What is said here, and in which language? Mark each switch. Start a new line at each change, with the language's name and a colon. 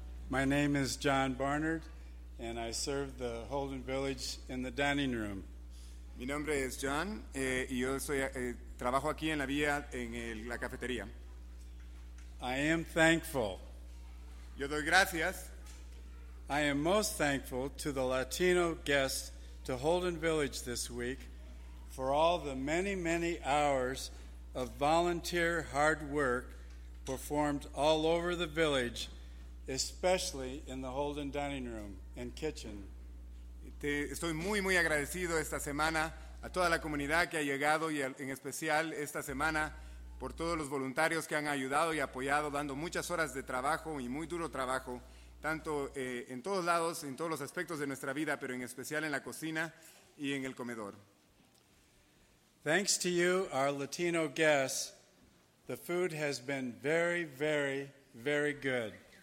English: My name is John Barnard, and I serve the Holden Village in the dining room.
Spanish: Mi nombre es John, y yo soy, trabajo aquí en la vía, en el, la cafetería.
English: I am thankful.
Spanish: Yo doy gracias.
English: I am most thankful to the Latino guests to Holden Village this week for all the many, many hours of volunteer hard work performed all over the village, especially in the Holden dining room and kitchen.
Spanish: Estoy muy, muy agradecido esta semana a toda la comunidad que ha llegado y en especial esta semana por todos los voluntarios que han ayudado y apoyado dando muchas horas de trabajo y muy duro trabajo tanto en todos lados, en todos los aspectos de nuestra vida, pero en especial en la cocina y en el comedor.
English: Thanks to you, our Latino guests, the food has been very, very, very good.